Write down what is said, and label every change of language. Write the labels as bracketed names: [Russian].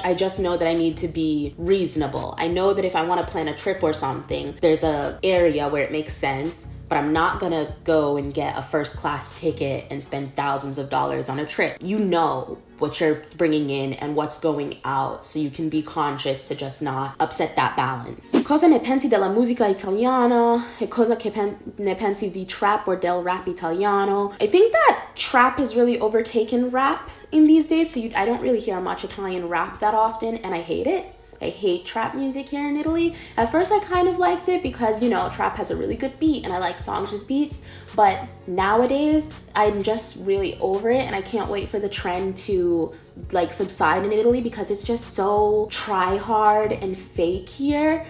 [English] I just know that I need to be reasonable. I know that if I want to plan a trip or something, there's an area where it makes sense. But I'm not gonna go and get a first class ticket and spend thousands of dollars on a trip. You know what you're bringing in and what's going out, so you can be conscious to just not upset that balance. [Italian] Cosa ne pensi della musica italiana? E cosa che ne pensi di trap or del rap italiano? [English] I think that trap has really overtaken rap in these days, so I don't really hear much Italian rap that often, and I hate it. I hate trap music here in Italy. At first I kind of liked it because, you know, trap has a really good beat and I like songs with beats, but nowadays I'm just really over it and I can't wait for the trend to like subside in Italy because it's just so try hard and fake here.